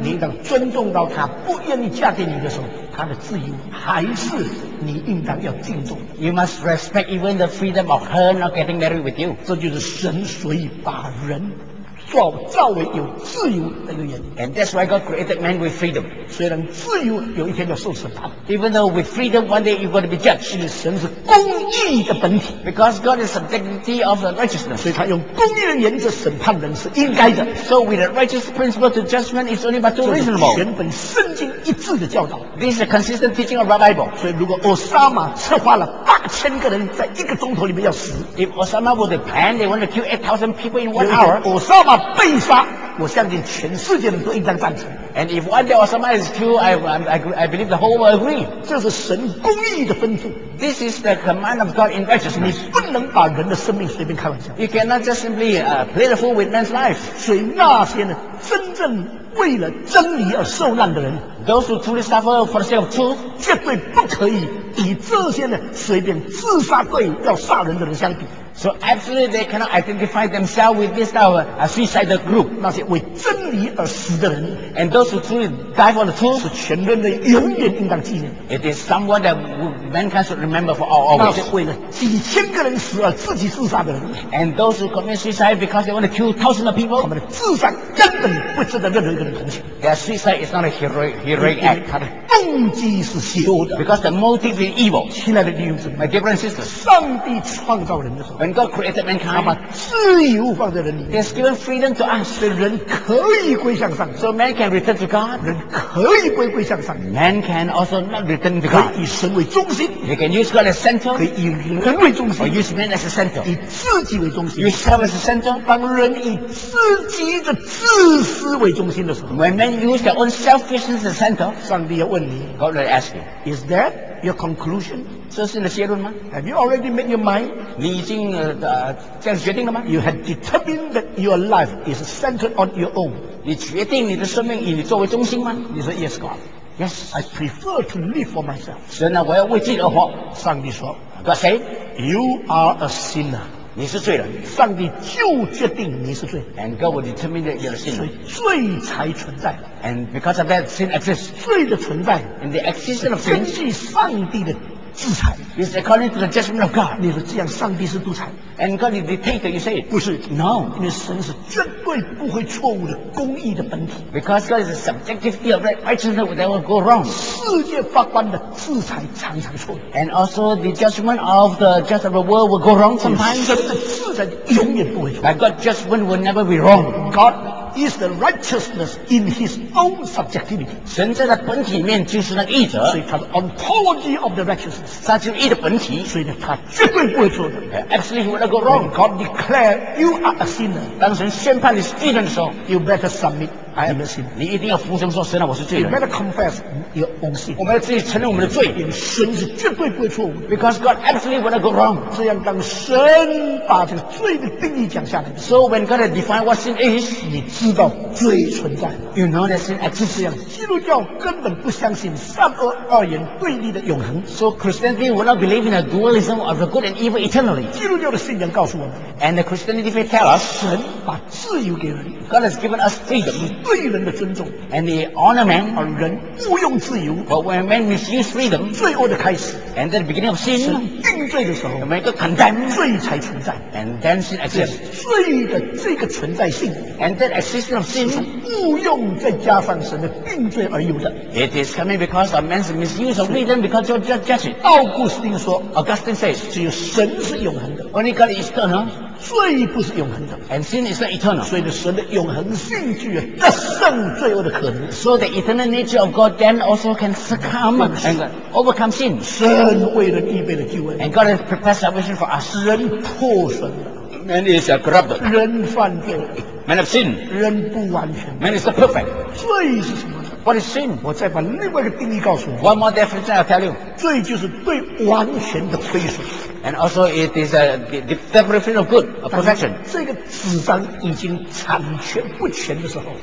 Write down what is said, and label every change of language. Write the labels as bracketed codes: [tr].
[zh] 你等尊重到她不愿意嫁给你的时候，她的自由还是你应当要敬重。 [en] You must respect even the freedom of her not getting married with you. [zh] 这就是神所以把人造为有自由的一个人。 [en] And that's why God created man with freedom. [zh] 虽然自由有一天要受审判。 [en] Even though with freedom, one day you're going to be judged. [zh] 因为神是公义的本体。 [en] Because God is subjectivity of the righteousness. [zh] 所以他用公义的原则审判人是应该的。 [en] So with a righteous principle to judgment, it's only but too reasonable. [zh] 这是全本圣经一致的教导。 [en] This is a consistent teaching of the Bible. [zh] 所以如果 Osama 策划了8000个人在一个钟头里面要死。 [en] If Osama would plan, they want to kill 8000 people in one hour. [zh] Osama 被杀，我相信全世界人都应当赞成。 [en] And if one day or somebody is killed, I believe the whole world agree. [zh] 这是神公义的吩咐。 [en] This is the command of God in righteousness. [zh] 你不能把人的生命随便开玩笑。 [en] You cannot just simply play the fool with man's life. [zh] 所以那些呢，真正为了真理而受难的人 [en] ，those who truly suffer for the sake of truth， [zh] 绝对不可以比这些呢随便自杀队要杀人的人相比。 [en] So absolutely they cannot identify themselves with this type of a suicide group. [zh] 那些为真理而死的人 [en] ，and those who truly die for the truth， [zh] 是全人类永远应当纪念。 [en] It is someone that mankind should remember for all always. [zh] 那些为了几千个人死而自己自杀的人 [en] ，and those who commit suicide because they want to kill thousands of people， [zh] 他们的自杀根本不值得任何一个人同情。 [en] Their suicide is not a heroic act. [zh] 他的动机是邪恶的 [en] ，because the motive is evil. [zh] 亲爱的弟兄姊妹 [en] ，my dear brothers and sisters， [zh] 上帝创造人的时候。 [en] When God created mankind, [zh] 把自由放在人里面 [en] He has given freedom to us. [zh] 所以人可以归向上帝 [en] So man can return to God. [zh] 人可以归向上帝 [en] Man can also not return to God. [zh] 可以以神为中心 [en] He can use God as center. [zh] 可以以人为中心 [en] Or use man as a center. [zh] 以自己为中心 [en] Yourself as a center. [zh] 当人以自己的自私为中心的时候 [en] When man use their own selfishness as a center, [zh] 上帝要问你 [en] God will ask you, Is that your conclusion? [zh] 这是你的结论吗 [en] ？Have you already made your mind？ [zh] 你已经这样决定了吗 [en] ？You have determined that your life is centered on your own。 [zh] 你决定你的生命以你作为中心吗？你说 [en] Yes, God。 Yes, I prefer to live for myself。 [zh] 所以呢，我要为自己而活。上帝说 [en] ，God say you are a sinner。 [zh] 你是罪人。上帝就决定你是罪。 [en] And God will determine that you're a sinner。 [zh] 所以罪才存在。 [en] And because of that, sin exists。 [zh] 罪的存在 [en] ，and the existence of sin， [zh] 是根据上帝的。制裁 [en] is according to the judgment of God. [zh] 你说这样，上帝是独裁 [en] ？And God is dictator. You say it. [zh] 不是 [en] ，No. [zh] 因为神是绝对不会错误的公义的本体。 [en] Because God is a subjective of righteousness will never go wrong. [zh] 世界法官的制裁常常错误。 [en] And also the judgment of the judge of the world will go wrong sometimes. [zh] 神的制裁永远不会错。 [en] But God's judgment will never be wrong. God is the righteousness in His own subjectivity. [zh] 神在他本体里面就是那个义者。所以他的 [en] ontology of the righteous. [zh] 他就义的本体，所以呢，他绝对不会错的。 [en] Absolutely, he will not go wrong. When God declare you are a sinner. [zh] 当神宣判你是罪人的时候 [en] ，You better submit. I am a sinner. [zh] 你一定要服从说，神啊，我是罪人。 [en] You better confess your own sin. [zh] 我们要自己承认我们的罪。因为神是绝对不会错误。 [en] Because God absolutely will not go wrong. [zh] 这样，当神把这个罪的定义讲下来 [en] ，So when God define what sin is, [zh] 你知道罪存在。 [en] You know that sin exists. [zh] 这样，基督教根本不相信善恶二元对立的永恒。 [en] So Christianity will not believe in a dualism of the good and evil eternally. [zh] 基督教的信仰告诉我们 [en] ，and the Christianity faith tell us, [zh] 神把自由给人 [en] ，God has given us freedom, [zh] 对人的尊重 [en] ，and the honor man, [zh] 而人误用自由 [en] ，but when man misuse freedom, [zh] 罪恶的开始 [en] ，and the beginning of sin, [zh] 神定罪的时候 [en] ，make a condemn, [zh] 罪才存在 [en] ，and then sin exists. [zh] 罪的这个存在性 [en] ，and that existence of sin, [zh] 误用再加上神的定罪而有的 [en] ，it is coming because of man's misuse of freedom because of judgment. [zh] 奥古斯丁说 [en] ，Augustine says， [zh] 只有神是永恒的 [en] ，Only God is eternal， [zh] 罪不是永恒的 [en] ，And sin is not eternal， [zh] 所以呢，神的永恒性具有得胜罪恶的可能 [en] ，So the eternal nature of God then also can succumb and overcome sin， [zh] 神为人预备了救恩 [en] ，And God has prepared salvation for us， [zh] 人破损了 [en] ，Man is a corrupt， [zh] 人犯罪 [en] ，Man of sin， [zh] 人不完全 [en] ，Man is not perfect， [zh] 罪是什么？ [en] What is sin? [zh] 我再把另外一个定义告诉你。 [en] One more definition I'll tell you. [zh] 罪就是对完全的亏损。 [en] And also it is a definition of good, a perfection. [zh] 这个纸张已经残缺不全的时候。